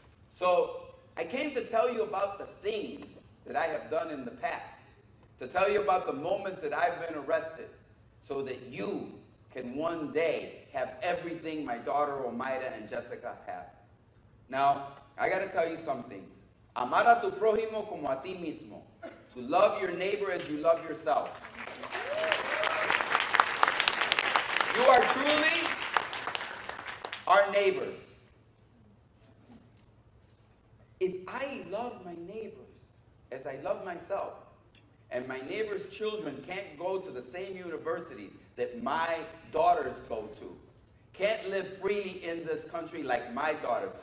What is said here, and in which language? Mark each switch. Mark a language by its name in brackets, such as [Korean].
[English] So I came to tell you about the things that I have done in the past, to tell you about the moments that I've been arrested, so that you can one day have everything my daughter Omaira and Jessica have. Now, I gotta tell you something. [Spanish] Amar a tu prójimo como a ti mismo. [English] To love your neighbor as you love yourself. You are truly our neighbors. If I love my neighbors as I love myself, and my neighbor's children can't go to the same universities that my daughters go to, can't live freely in this country like my daughters.